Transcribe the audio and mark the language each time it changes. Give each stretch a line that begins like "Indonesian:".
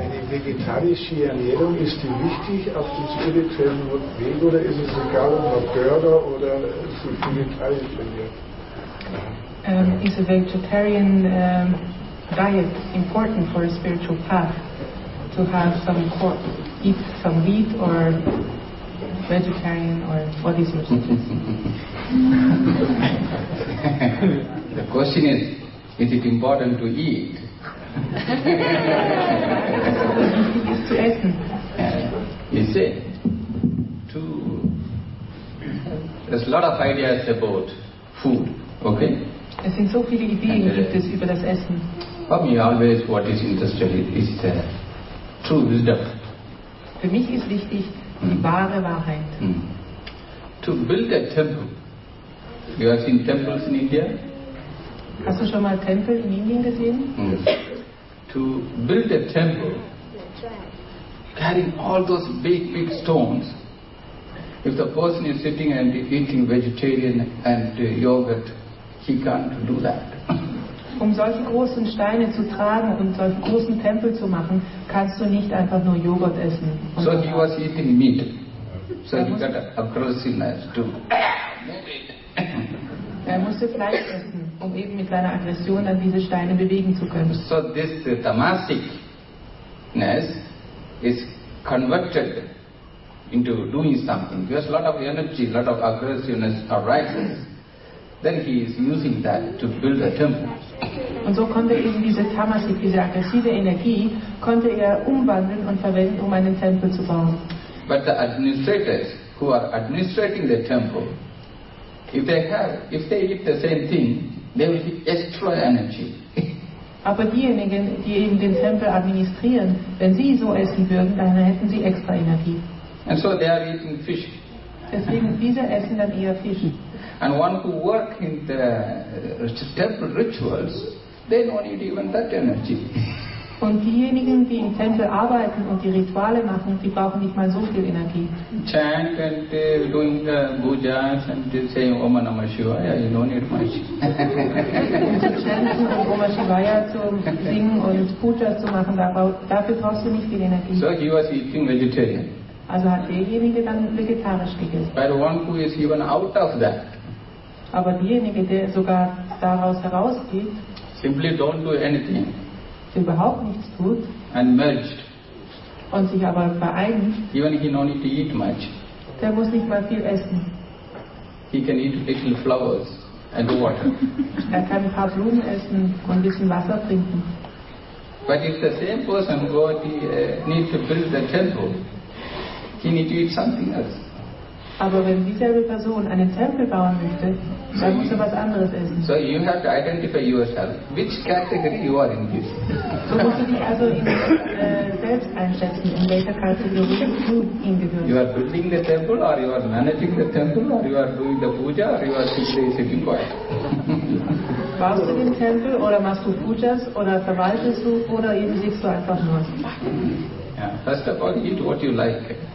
German: Vegetarische Ernährung, ist die wichtig auf dem spirituellen Weg oder ist es egal, ob man Burger oder so vegetarisch ernährt?
English: Is a vegetarian diet important for a spiritual path? To have some eat some meat or vegetarian or what is your suggestion? The question is it important to eat? You see, there's a lot of ideas about food, okay?
German: Es sind so viele Ideen gibt es über das Essen.
English: For me always what is interesting is true wisdom.
German: Für mich ist wichtig die wahre Wahrheit. Mm.
English: To build a temple. You have seen temples in India?
German: Hast du schon mal Tempel in Indien gesehen? Mm.
English: To build a temple, carrying all those big, big stones. If the person is sitting and eating vegetarian and yogurt, he can't do that.
German: Um solche großen Steine zu tragen und solche großen Tempel zu machen, kannst du nicht einfach nur Joghurt essen.
English: So he was eating meat. So he got aggressiveness too.
German: Er musste Fleisch essen, um eben mit seiner Aggression dann diese Steine bewegen zu können.
English: So this tamasic-ness is converted into doing something. There's a lot of energy, a lot of aggressiveness arises. Then he is using that to build a temple.
German: Und so konnte eben diese tamasic, diese aggressive Energie, konnte umwandeln und verwenden, um einen Tempel zu bauen.
English: But the administrators who are administrating the temple, If they eat the same thing, they will be extra energy.
German: Aber diejenigen, die eben den Tempel administrieren, wenn sie so essen würden, dann hätten sie extra Energie.
English: And so they are eating fish.
German: Deswegen diese essen dann eher Fisch.
English: And one who work in the temple rituals, they don't need even that energy.
German: Und diejenigen, die im Tempel arbeiten und die Rituale machen, die brauchen nicht mal so viel Energie.
English: Chant and doing the bujas and saying Om Namah Shivaya, you don't need much.
German: Chanten und Om Shivaya zu singen und Pujas zu machen, dafür brauchst du nicht viel Energie.
English: So he was eating vegetarian.
German: Also hat derjenige dann vegetarisch gegessen.
English: But one who is even out of that.
German: Aber diejenige, der sogar daraus herausgeht,
English: simply don't do anything.
German: Überhaupt nichts tut
English: and merged.
German: Und sich aber vereint,
English: even he don't need to eat much.
German: Der muss nicht mal viel essen.
English: He can eat little flowers and water.
German: Er kann ein paar Blumen essen und ein bisschen Wasser trinken.
English: But if the same person God needs to build the temple, he needs to eat something else.
German: Aber wenn dieselbe Person einen Tempel bauen möchte, dann muss er was anderes essen.
English: So you have to identify yourself, which category you are in this.
German: So musst du dich also selbst einschätzen, in welcher Kategorie du ihn gehörst.
English: You are building the temple, or you are managing the temple, or you are doing the puja, or you are simply sitting quiet.
German: Baust du den Tempel, oder machst du Pujas, oder verwaltest du, oder eben sitzt du einfach nur?
English: Yeah, first of all, eat what you like.